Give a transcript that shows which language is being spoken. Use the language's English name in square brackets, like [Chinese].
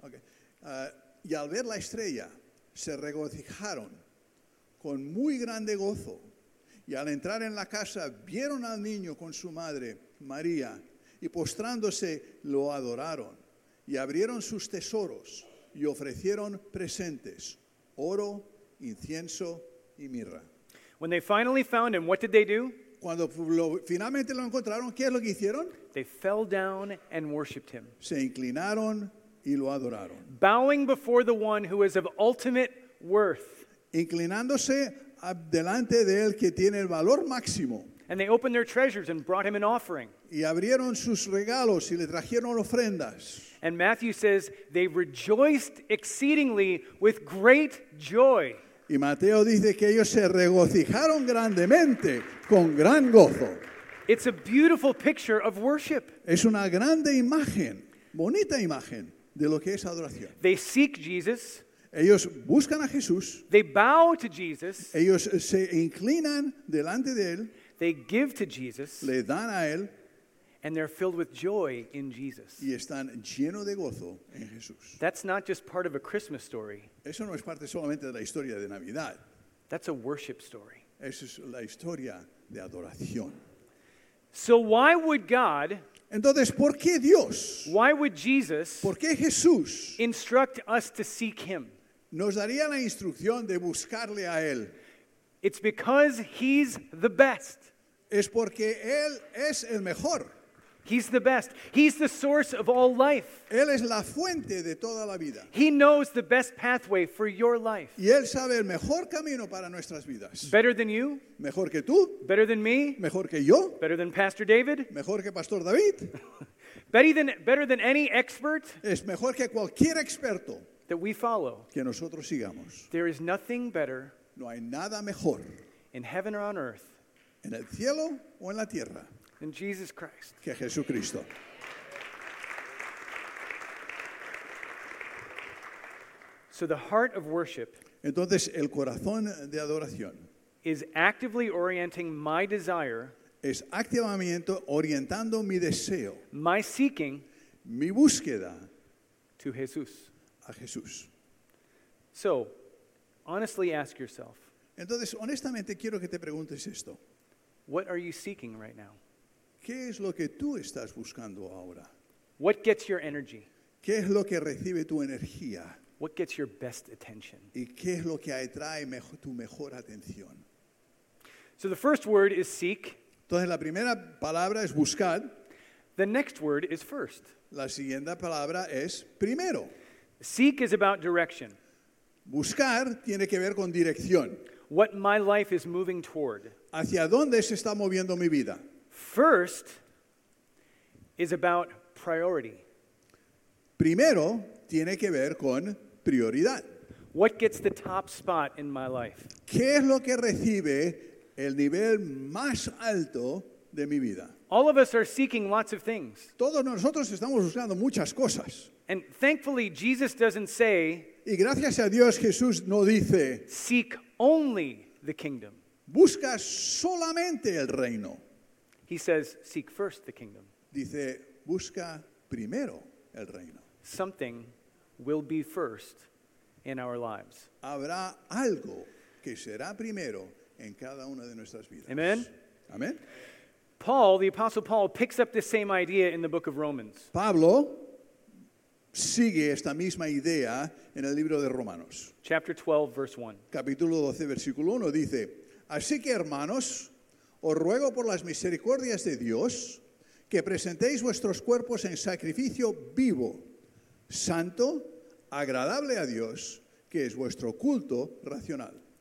[Spanish] Okay. Y al ver la estrella, se regocijaron con muy grande gozo. Y al entrar en la casa, vieron al niño con su madre, María, y postrándose, lo adoraron. Y abrieron sus tesoros y ofrecieron presentes, oro, incienso y mirra. [English] When they finally found him, what did they do? [Spanish] Cuando finalmente lo encontraron, ¿qué es lo que hicieron? [English] They fell down and worshipped him. [Spanish] Se inclinaron y lo adoraron. [English] Bowing before the one who is of ultimate worth. [Spanish] Inclinándose delante de él que tiene el valor máximo. [English] And they opened their treasures and brought him an offering. [Spanish] Y abrieron sus regalos y le trajeron ofrendas. [English] And Matthew says they rejoiced exceedingly with great joy. [Spanish] Y Mateo dice que ellos se regocijaron grandemente con gran gozo. [English] It's a beautiful picture of worship. [Spanish] Es una grande imagen, bonita imagen de lo que es adoración. [English] They seek Jesus. [Spanish] Ellos buscan a Jesús. [English] They bow to Jesus. [Spanish] Ellos se inclinan delante de él. [English] They give to Jesus. [Spanish] Le dan a él. [English] And they're filled with joy in Jesus. [Spanish] Y están lleno de gozo en Jesús. [English] That's not just part of a Christmas story. [Spanish] Eso no es parte solamente de la historia de Navidad. [English] That's a worship story. [Spanish] Eso es la historia de adoración. [English] So why would God? [Spanish] Entonces, ¿por qué Dios? [English] Why would Jesus? [Spanish] ¿Por qué Jesús? [English] Instruct us to seek him. [Spanish] Nos daría la instrucción de buscarle a él. [English] It's because he's the best. [Spanish] Es porque él es el mejor. [English] He's the best. He's the source of all life. [Spanish] Él es la fuente de toda la vida. [English] He knows the best pathway for your life. [Spanish] Y él sabe el mejor camino para nuestras vidas. [English] Better than you? [Spanish] Mejor que tú? [English] Better than me? [Spanish] Mejor que yo? [English] Better than Pastor David? [Spanish] Mejor que Pastor David? [English] better than any expert? [Spanish] Es mejor que cualquier experto. [English] That we follow. [Spanish] Que nosotros sigamos. [English] There is nothing better. [Spanish] No hay nada mejor. [English] In heaven or on earth. [Spanish] En el cielo o en la tierra. [English] In Jesus Christ. [Spanish] Que Jesucristo. [English] So the heart of worship. [Spanish] Entonces el corazón de adoración. [English] Is actively orienting my desire. [Spanish] Es activamente orientando mi deseo. [English] My seeking. [Spanish] Mi búsqueda. [English] To Jesús. [Spanish] A Jesús. [English] So, honestly ask yourself. [Spanish] Entonces honestamente quiero que te preguntes esto. [English] What are you seeking right now? [Spanish] ¿Qué es lo que tú estás buscando ahora? [English] What gets your energy? [Spanish] ¿Qué es lo que recibe tu energía? [English] What gets your best attention? [Spanish] ¿Y qué es lo que atrae tu mejor atención? [English] So the first word is seek. [Spanish] Entonces la primera palabra es buscar. [English] The next word is first. [Spanish] La siguiente palabra es primero. [English] Seek is about direction. [Spanish] Buscar tiene que ver con dirección. [English] What my life is moving toward. [Spanish] ¿Hacia dónde se está moviendo mi vida? [English] First is about priority. [Spanish] Primero tiene que ver con prioridad. [English] What gets the top spot in my life? [Spanish] ¿Qué es lo que recibe el nivel más alto de mi vida? [English] All of us are seeking lots of things. [Spanish] Todos nosotros estamos buscando muchas cosas. [English] And thankfully, Jesus doesn't say, [Spanish] y gracias a Dios, Jesús no dice, [English] seek only the kingdom. [Spanish] Busca solamente el reino. [English] He says, seek first the kingdom. [Spanish] Dice, busca primero el reino. [English] Something will be first in our lives. [Spanish] Habrá algo que será primero en cada una de nuestras vidas. [English] Amen. [Spanish] Amen. [English] Paul, the Apostle Paul, picks up the same idea in the book of Romans. [Spanish] Pablo sigue esta misma idea en el libro de Romanos. [English] Chapter 12, verse 1. [Spanish] Capítulo 12, versículo 1 dice: Así que, hermanos, os ruego por las misericordias de Dios que presentéis vuestros cuerpos en sacrificio vivo, santo, agradable a Dios, que es vuestro culto racional.